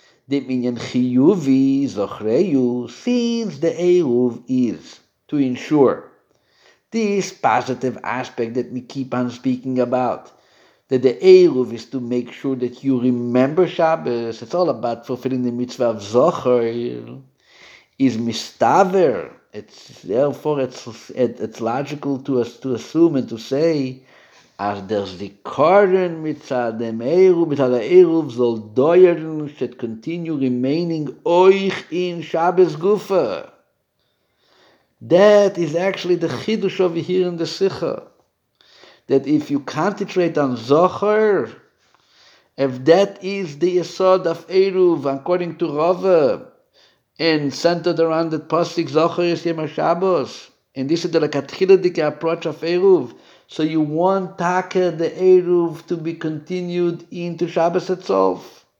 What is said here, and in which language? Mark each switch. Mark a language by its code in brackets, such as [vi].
[en] The minyan chiyuvi zochreyu, since the eruv is to ensure this positive aspect that we keep on speaking about, that the eruv is to make sure that you remember Shabbos. It's all about fulfilling the mitzvah of zochreyu. Is mistaver. It's therefore it's logical to us to assume and to say [yi] אַז דער זיכרון מיט דעם אירו מיט דער אירו זאָל דויערן שט [en] קונטיניו רימיינינג [yi] אויך אין שבת גופה. [en] That is actually the chiddush over here in the sicha. That if you concentrate on zocher, if that is the yesod of Eruv, according to Rava, and centered around the pasuk zocher is yema Shabbos, and this is the lekatchiladike approach of Eruv, so you want taka the Eruv to be continued into Shabbos itself.